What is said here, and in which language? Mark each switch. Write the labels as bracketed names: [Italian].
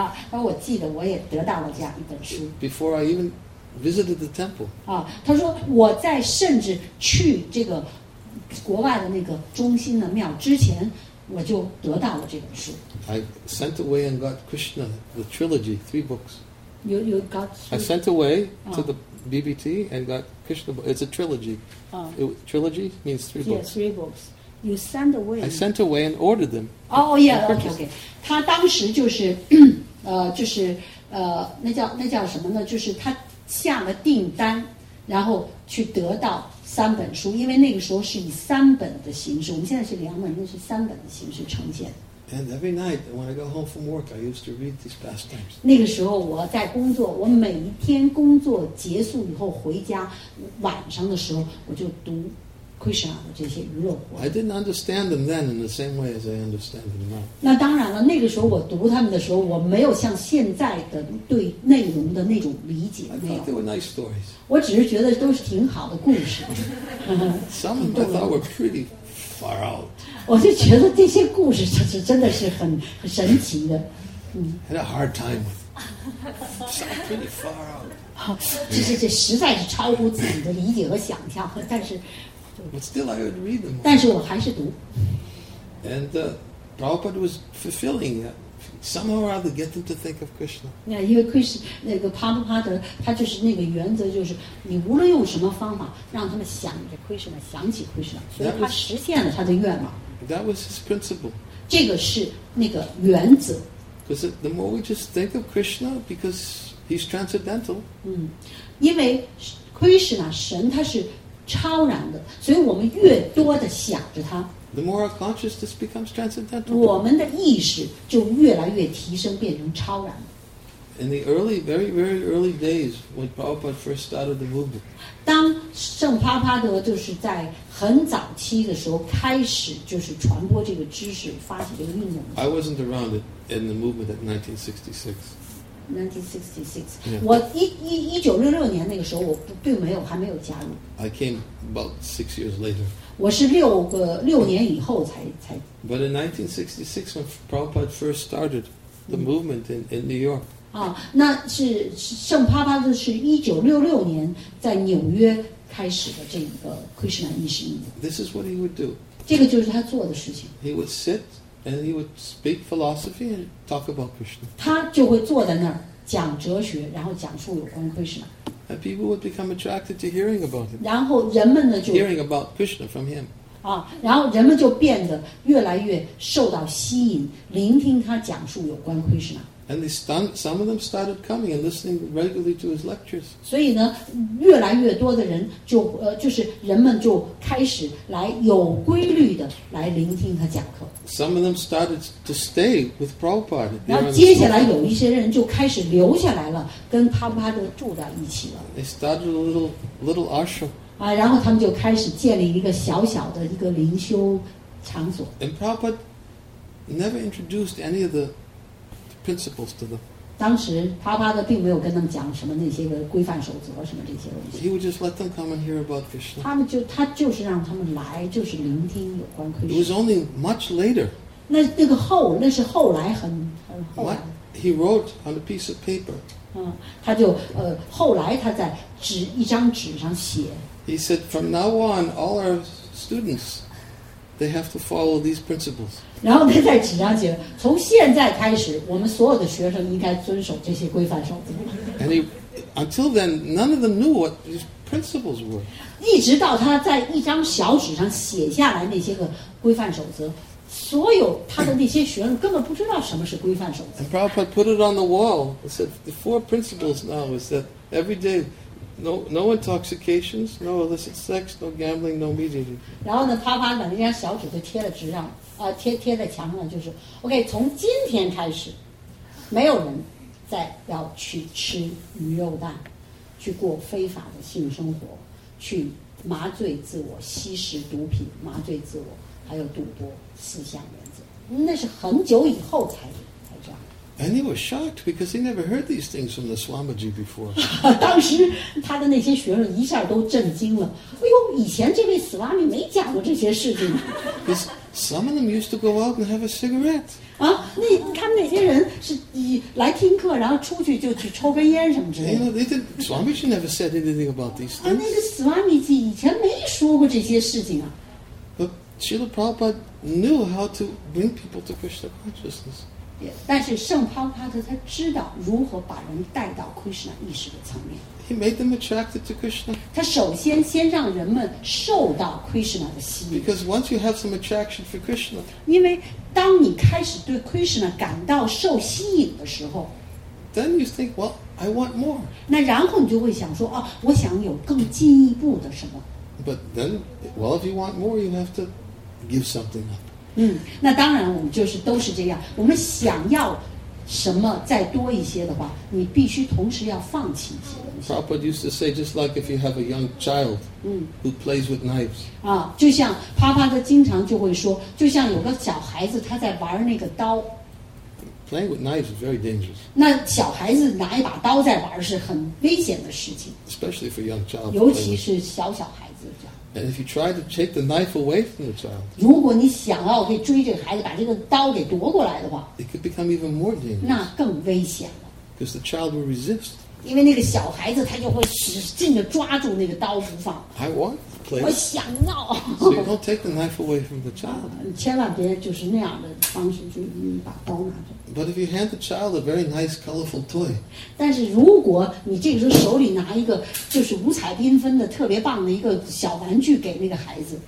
[Chinese] 我记得我也得到了这样一本书。 [English] Before I even visited the temple. [Chinese] 他说我在甚至去这个国外的那个中心的庙之前。我就得到了这本书。 [English] I sent away and got Krishna, the trilogy, three books. You got. I sent away to the BBT and got Krishna. It's a trilogy. Trilogy means three books. Yes, three books. You sent away. I sent away and ordered them. Okay. [Chinese] 他当时就是那叫什么呢？就是他下了订单，然后去得到。三本书，因为那个时候是以三本的形式，我们现在是两本，那是三本的形式呈现。 [English] And every night when I go home from work, I used to read these pastimes. [Chinese] 那个时候我在工作，我每一天工作结束以后回家，晚上的时候我就读 Krishna 的这些娱乐活动。 [English] I didn't understand them then in the same way as I understand them now. [Chinese] 那当然了，那个时候我读他们的时候，我没有像现在的对内容的那种理解。 [English] I thought they were nice stories. [Chinese] 我只是觉得都是挺好的故事。 [English] Some of them I thought were pretty far out. [Chinese] 我就觉得这些故事真的是很神奇的。 [English] Had a hard time with it. Pretty far out. [Chinese] 这实在是超乎自己的理解和想象，但是。 [English] But still, I would read them. [Chinese] 但是我还是读。 [English] And Prabhupada was fulfilling it. Somehow or other, get them to think of Krishna. [Chinese] Yeah, 因为 Krishna 那个 Prabhupada 他就是那个原则，就是你无论用什么方法，让他们想着 Krishna， 想起 Krishna， 所以他实现了他的愿望。 [English] That was his principle. [Chinese] 这个是那个原则。 [English] Because the more we just think of Krishna, because he's transcendental. [Chinese] 嗯，因为 Krishna 神他是超然的，所以我们越多的想着他。 [English] The more our consciousness becomes transcendental. [Chinese] 我们的意识就越来越提升，变成超然。 [English] In the early, very, very early days, when Prabhupada first started the movement. [Chinese] 当圣帕帕德就是在很早期的时候开始就是传播这个知识，发起这个运动。 [English] I wasn't around it in the movement in 1966. 1966. Yeah. [Chinese] 我1966年那个时候我并没有还没有加入。 [English] I came about 6 years later. [Chinese] 我是六年以后才。 [English] But in 1966, when Prabhupada first started the movement in New York. [Chinese] 啊，那是圣帕帕德是1966年在纽约开始的这个 Krishna 意识运动。 [English] This is what he would do. [Chinese] 这个就是他做的事情。 [English] He would sit and he would speak philosophy and talk about Krishna. [Chinese] 他就会坐在那儿讲哲学，然后讲述有关 Krishna。 [English] And people would become attracted to hearing about him. [Chinese] 然后人们呢就 [English] hearing about Krishna from him. [Chinese] 啊，然后人们就变得越来越受到吸引，聆听他讲述有关 Krishna. [English] And some of them started coming and listening regularly to his lectures. [Chinese] 所以呢，越来越多的人就是人们就开始来有规律的来聆听他讲课。 [English] Some of them started to stay with Prabhupada. [Chinese] 然后接下来有一些人就开始留下来了，跟帕帕德住在一起了。 [English] They started a little ashram. [Chinese] 啊，然后他们就开始建立一个小小的一个灵修场所。 [English] And Prabhupada never introduced any of the principles to them. [Chinese] 当时帕帕德并没有跟他们讲什么那些个规范守则什么这些东西。 [English] He would just let them come and hear about Krishna. [Chinese] 他就是让他们来，就是聆听有关 Krishna. [English] It was only much later. [Chinese] 那是后来。 [English] He wrote on a piece of paper. [Chinese] 嗯，他就后来他在一张纸上写。 [English] He said, "From now on, all our students, they have to follow these principles." [Chinese] 然后他在纸上写，从现在开始，我们所有的学生应该遵守这些规范守则。 [English] And until then, none of them knew what these principles were. [Chinese] 一直到他在一张小纸上写下来那些个规范守则，所有他的那些学生根本不知道什么是规范守则。 [English] And Prabhupada put it on the wall. He said, "The four principles now is that every day. No intoxications, no illicit sex, no gambling, no meat-eating." [Chinese] 然后呢，啪啪把那张小纸都贴在纸上，贴在墙上，就是 OK。从今天开始，没有人再要去吃鱼肉蛋，去过非法的性生活，去麻醉自我、吸食毒品、麻醉自我，还有赌博四项原则。那是很久以后才。 [English] And he was shocked because he never heard these things from the Swamiji before. [Chinese] 当时他的那些学生一下都震惊了。哎呦，以前这位 Swami 没讲过这些事情。 [English] Because some of them used to go out and have a cigarette. [Chinese] 啊，那他们那些人是来听课，然后出去就去抽根烟什么之类的。 [English] You know, Swamiji never said anything about these things. [Chinese] 啊，那个 Swamiji 以前没说过这些事情啊。 [English] But Srila Prabhupada knew how to bring people to Krishna consciousness. [Chinese] 但是圣帕帕特他知道如何把人带到 Krishna 意识的层面。 [English] He made them attracted to Krishna. [Chinese] 他首先让人们受到 Krishna 的吸引。 [English] Because once you have some attraction for Krishna, [Chinese] 因为当你开始对 Krishna 感到受吸引的时候 [English] ，then you think, well, I want more. [Chinese] 那然后你就会想说，哦，我想有更进一步的什么。 [English] But then, well, if you want more, you have to give something up. [Chinese] 嗯，那当然，我们就是都是这样。我们想要什么再多一些的话，你必须同时要放弃一些东西。 [English] Prabhupada used to say, just like if you have a young child, who plays with knives. [Chinese] 啊，就像帕帕他经常就会说，就像有个小孩子他在玩那个刀。 [English] Playing with knives is very dangerous. [Chinese] 那小孩子拿一把刀在玩是很危险的事情。 [English] Especially for young child. [Chinese] 尤其是小小孩子这样。 [English] And if you try to take the knife away from the child, [Chinese] 如果你想要可以追这个孩子，把这个刀给夺过来的话， [English] it could become even more dangerous. [Chinese] 那更危险了。 [English] Because the child will resist. [Chinese] 因为那个小孩子他就会使劲地抓住那个刀不放。 [English] I want the place. [Chinese] 我想要。 [English] So you don't take the knife away from the child. [Chinese] 千万别就是那样的方式就把刀拿走。 [English] But if you hand the child a very nice, colorful toy. [Chinese] 但是如果你这个时候手里拿一个就是五彩缤纷的特别棒的一个小玩具给那个孩子。